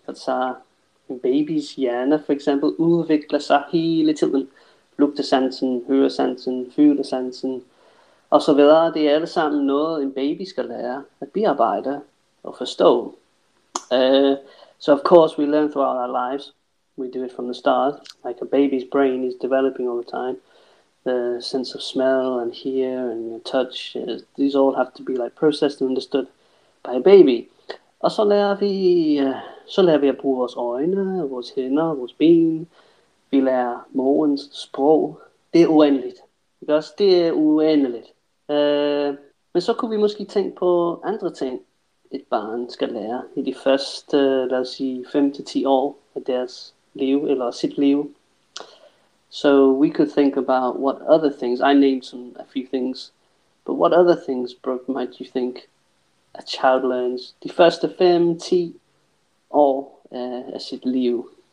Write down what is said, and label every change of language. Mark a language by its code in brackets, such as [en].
[da] Altså, en babys hjerne for eksempel udvikler sig hele tiden. Lugtesansen, høresansen, følesansen og så videre. Det er alle sammen noget, en baby skal lære at bearbejde og forstå. [en] So of course we learn throughout our lives. We do it from the start. Like a baby's brain is developing all the time. The sense of smell and hear and touch, these all have to be like processed and understood by a baby. [da] Og så lærer vi at bruge vores øjne, vores hænder, vores ben. Vi lærer morgens sprog. Det er uendeligt. Ikke også? Det er uendeligt. Men så kunne vi måske tænke på andre ting, et barn skal lære i de første, lad os sige, 5-10 år af deres liv, eller sit liv. [en] So we could think about what other things, I named a few things, but what other things, Brooke, might you think a child learns the first 5-10 or as it Leo?